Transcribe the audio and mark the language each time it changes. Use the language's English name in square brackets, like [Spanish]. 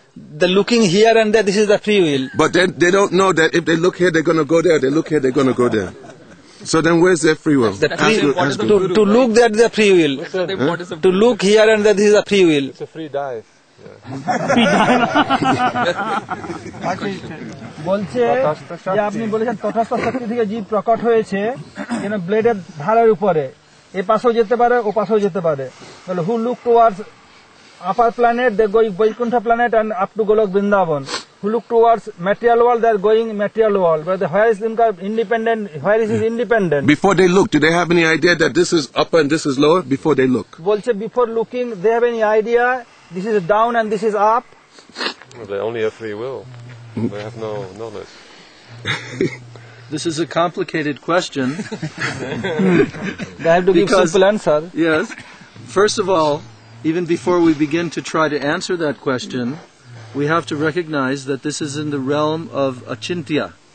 [English] They're looking here and there, this is the free will. But then they don't know that if they look here, they're going to go there. They look here, they're going to go there. So then where's their free will? To look there, this is the free will. To look here and there, this is the free will. It's a free dive. [Bangla] বলছে যে আপনি বলেছেন তথাস্থ শক্তি থেকে জীব প্রকট হয়েছে কিন্তু ব্লেডের ধারের উপরে এ পাশেও যেতে পারে [English] ও পাশেও যেতে পারে who look towards upper planet they going Vaikuntha planet and up to Goloka Vrindavan who look towards material world they are going material world where is in car independent where is independent before they look do they have any idea that this is up and this is lower before they look [Bangla] বলছে [English] Before looking they have any idea This is down and this is up. Well, they only have free will. They have no knowledge. This is a complicated question. They have to give simple answer. Yes. First of all, even before we begin to try to answer that question, we have to recognize that this is in the realm of achintya.